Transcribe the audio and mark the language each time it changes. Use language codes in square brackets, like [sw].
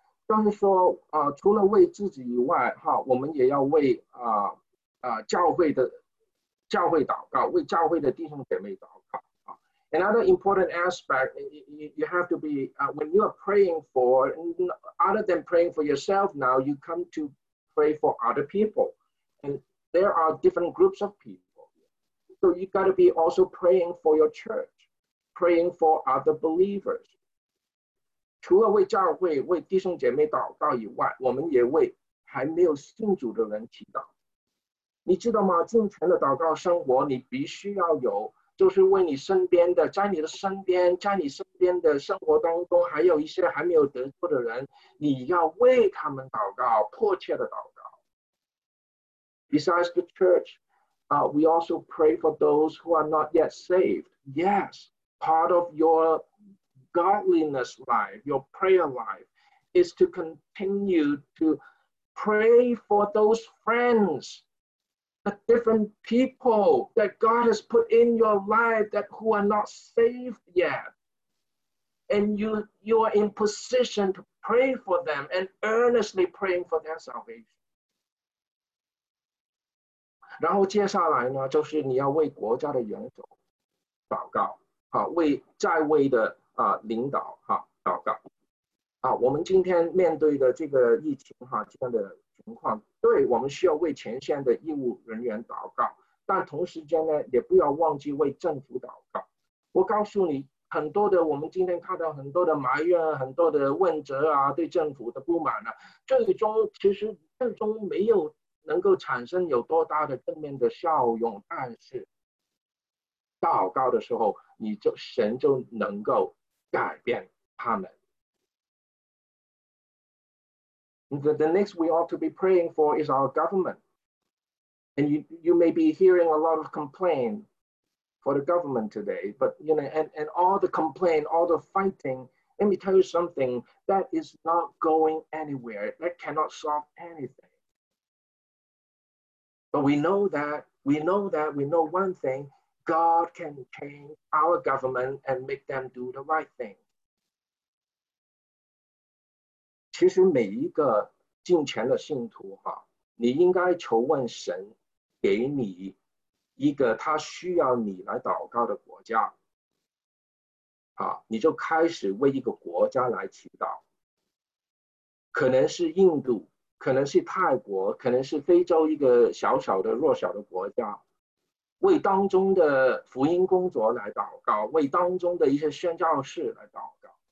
[zh] 就是说除了为自己以外哈，我们也要为教会祷告，为教会的弟兄姐妹祷告。 [en] Another important aspect, you have to be, when you are praying for, other than praying for yourself, now you come to pray for other people. And there are different groups of people. So you got to be also praying for your church, praying for other believers. [zh] 除了为教会为弟兄姐妹祷告以外，我们也为还没有信主的人祈祷。你知道吗，进程的祷告生活你必须要有，就是为你身边的，在你的身边，在你身边的生活当中还有一些还没有得救的人，你要为他们祷告，迫切的祷告。 [en] Besides the church, we also pray for those who are not yet saved. Yes, part of yourGodliness life, your prayer life, is to continue to pray for those friends, the different people that God has put in your life that who are not saved yet. And you are in position to pray for them and earnestly praying for their salvation. [zh] 然后接下来呢，就是你要为国家的元首祷告，啊，为在位的啊领导啊祷告。啊，我们今天面对的这个疫情哈，这样的情况，对，我们需要为前线的医务人员祷告，但同时间呢，也不要忘记为政府祷告。我告诉你，很多的我们今天看到很多的埋怨，很多的问责啊，对政府的不满啊，最终其实最终没有能够产生有多大的正面的效用，但是祷告的时候，你就神就能够改变他们。 [en] The next we ought to be praying for is our government. And you may be hearing a lot of complaint for the government today, but you know, and all the complaint, all the fighting, let me tell you something, that is not going anywhere. That cannot solve anything. But we know one thing, God can change our government and make them do the right thing. [zh] 其实每一个进前的信徒哈，你应该求问神给你一个他需要你来祷告的国家，好，你就开始为一个国家来祈祷，可能是印度，可能是泰国，可能是非洲一个小小的弱小的国家，为当中的福音工作来祷告，为当中的一些宣教士来祷告。